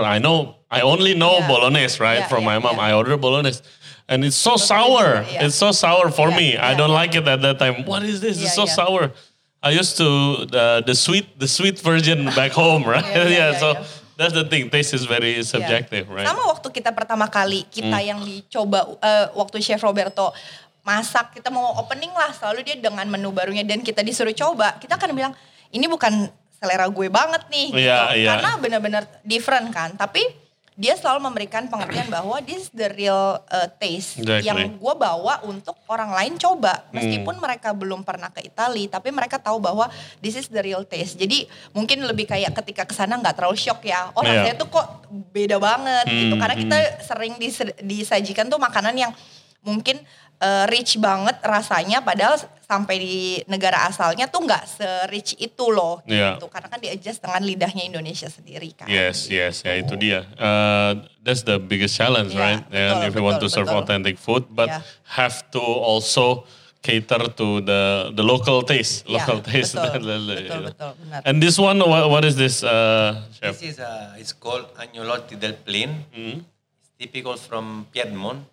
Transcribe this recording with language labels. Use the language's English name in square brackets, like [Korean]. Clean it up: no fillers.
[English] I know. I only know yeah. bolognese, right? Yeah, from yeah, my mom. Yeah. I ordered bolognese, and it's so sour. Yeah. It's so sour for yeah. me. Yeah. I don't like it at that time. What is this? Yeah, it's so yeah. sour. I used to the sweet version back home, right? Yeah, yeah, yeah, so yeah. that's the thing. Taste is very subjective, yeah. right? [Indonesian] Sama waktu kita pertama kali kita yang dicoba waktu Chef Roberto masak, kita mau opening lah, selalu dia dengan menu barunya dan kita disuruh coba, kita akan bilang ini bukan selera gue banget nih, gitu. Yeah, yeah. Karena benar-benar different kan. Tapi dia selalu memberikan pengertian bahwa [English] this the real taste exactly. [Indonesian] yang gue bawa untuk orang lain coba. Meskipun mereka belum pernah ke Itali, tapi mereka tahu bahwa [English] this is the real taste. [Indonesian] Jadi mungkin lebih kayak ketika kesana gak terlalu shock ya. Oh yeah. rasanya tuh kok beda banget gitu. Karena kita sering disajikan tuh makanan yang mungkin rich banget rasanya. Padahal sampai di negara asalnya tuh gak se-rich itu loh. Gitu. [English] Yeah. [Indonesian] Karena kan di-adjust dengan lidahnya Indonesia sendiri kan. [English] Yes, yes. [Indonesian] Ya itu dia. [English] That's the biggest challenge, yeah, right? [Indonesian] Betul, [English] and if you want to serve authentic food. But yeah. have to also cater to the local taste. Local yeah, taste. [Indonesian] Betul. [English] And this one, what is this, chef? This is it's called Agnolotti del Plin. It's typical from Piedmont.